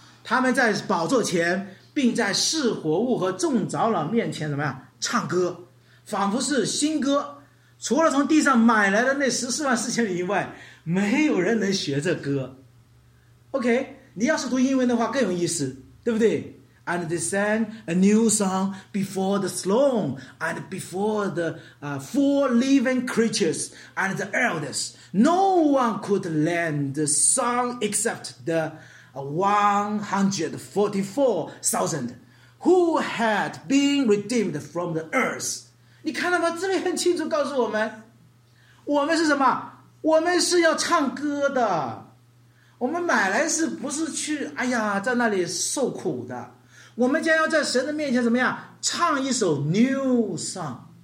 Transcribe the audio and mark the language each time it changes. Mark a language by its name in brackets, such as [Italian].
[Chinese] 他们在宝座前并在四活物和众长老面前怎么样唱歌，仿佛是新歌，除了从地上买来的那十四万四千人以外，没有人能学这歌。 OK， 你要是读英文的话更有意思，对不对？ [English] And they sang a new song before the throne and before the four living creatures and the elders. No one could learn the song except the 144,000 who had been redeemed from the earth. [Chinese] 你看到吗？这里很清楚告诉我们，我们是什么？我们是要唱歌的。我们买来是不是去哎呀在那里受苦的，我们将要在神的面前怎么样唱一首 new song。